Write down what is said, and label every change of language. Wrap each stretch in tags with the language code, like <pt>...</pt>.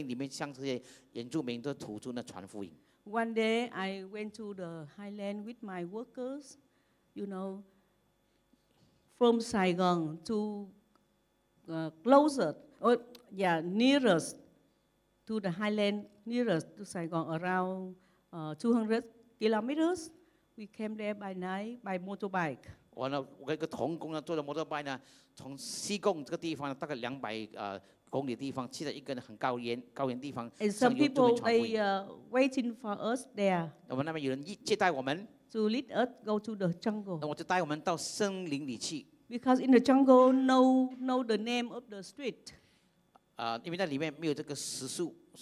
<zh>那么呢，我们在晚间呢，到这个森林里面，向这些原住民的土著呢传福音。</zh> <en>One day I went to the highland with my workers, you know, from Saigon to closer. Yeah, nearest to the highland, nearest to Saigon, around 200 kilometers. We came there by night by motorbike.</en> <zh>我跟一个同工呢，坐着 motorbike 呢，从西贡这个地方大概200公里的地方，去了一个很高原地方。</zh> <en>And some people they waiting for us there.</en> <zh>我们那边有人接待我们</zh> <en>to lead us go to the jungle.</en> <zh>我就带我们到森林里去。</zh> <en>Because in the jungle, no the name of the street.</en> <zh>因为那里面没有这个食宿。</zh>